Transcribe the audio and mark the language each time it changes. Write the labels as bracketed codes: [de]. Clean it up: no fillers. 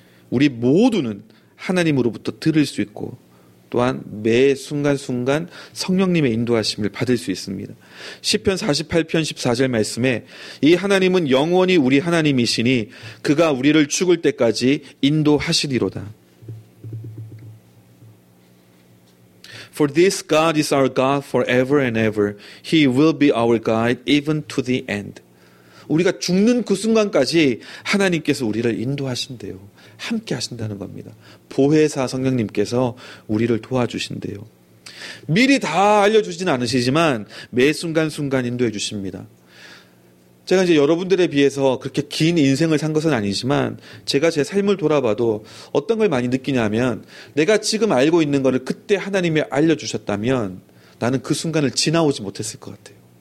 [ko] 우리 모두는 하나님으로부터 들을 수 있고 또한 매 순간순간 성령님의 인도하심을 받을 수 있습니다. 시편 48편 14절 말씀에 이 하나님은 영원히 우리 하나님이시니 그가 우리를 죽을 때까지 인도하시리로다. [en] For this God is our God forever and ever. He will be our guide even to the end. [ko] 우리가 죽는 그 순간까지 하나님께서 우리를 인도하신대요. 함께 하신다는 겁니다. 보혜사 성령님께서 우리를 도와주신대요. 미리 다 알려주진 않으시지만 매 순간순간 인도해 주십니다. 제가 이제 여러분들에 비해서 그렇게 긴 인생을 산 것은 아니지만 제가 제 삶을 돌아봐도 어떤 걸 많이 느끼냐면 내가 지금 알고 있는 것을 그때 하나님이 알려주셨다면 나는 그 순간을 지나오지 못했을 것 같아요.